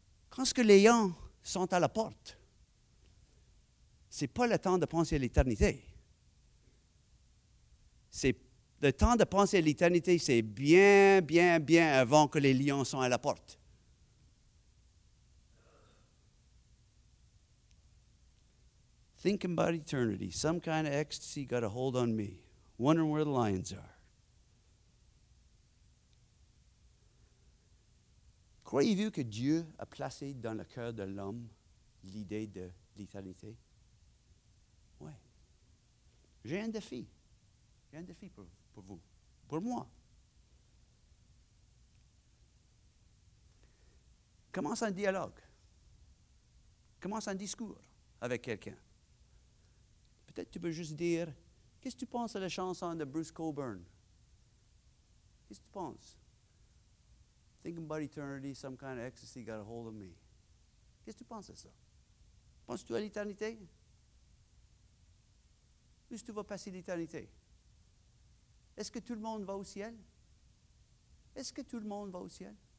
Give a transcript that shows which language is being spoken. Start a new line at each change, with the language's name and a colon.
French: Quand ce que les lions sont à la porte, c'est pas le temps de penser à l'éternité. C'est le temps de penser à l'éternité, c'est bien, bien, bien avant que les lions soient à la porte.
English: Thinking about eternity, some kind of ecstasy got a hold on me. Wondering where the lions are.
French: Croyez-vous que Dieu a placé dans le cœur de l'homme l'idée de l'éternité? J'ai un défi pour vous, pour moi. Commence un dialogue. Commence un discours avec quelqu'un. Peut-être que tu peux juste dire, qu'est-ce que tu penses à la chanson de Bruce Coburn? Qu'est-ce que tu penses?
English: Thinking about eternity, some kind of ecstasy got a hold of me.
French: Qu'est-ce que tu penses à ça? Penses-tu à l'éternité? Où est-ce que tu vas passer l'éternité? Est-ce que tout le monde va au ciel? Est-ce que tout le monde va au ciel?